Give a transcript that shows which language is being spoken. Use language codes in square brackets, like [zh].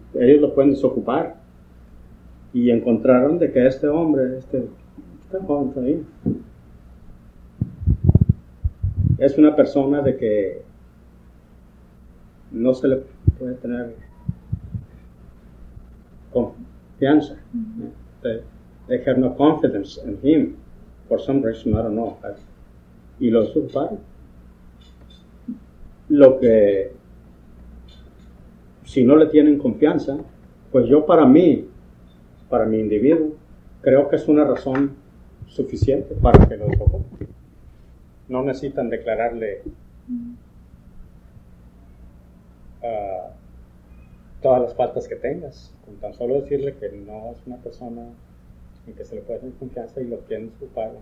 [es] Ellos lo pueden desocupar. Y encontraron de que este hombre, este hombre ahí, es una persona de que no se le puede tener confianza. [en] They have no confidence in him. For some reason, I don't know. [es] Y lo desocuparon. Lo que, si no le tienen confianza, pues yo para mi individuo, creo que es una razón suficiente para que lo desocupen. No necesitan declararle todas las faltas que tengas, con tan solo decirle que no es una persona en que se le puede tener confianza y lo quieren desocupar.